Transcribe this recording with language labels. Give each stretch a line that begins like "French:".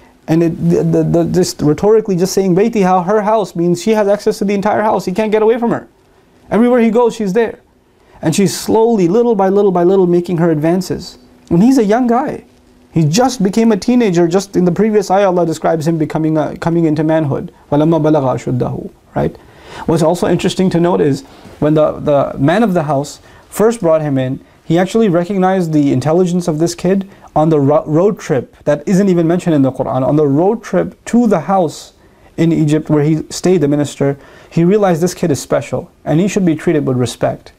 English: And just rhetorically, just saying baytiha, her house, means she has access to the entire house. He can't get away from her. Everywhere he goes, she's there, and she's slowly, little by little by little, making her advances. And he's a young guy; he just became a teenager. Just in the previous ayah, Allah describes him becoming coming into manhood.
Arabic: وَلَمَّا بَلَغَ أَشُدَّهُ, right.
English: What's also interesting to note is when the man of the house first brought him in, he actually recognized the intelligence of this kid on the road trip that isn't even mentioned in the Quran. On the road trip to the house in Egypt where he stayed, the minister, he realized this kid is special and he should be treated with respect.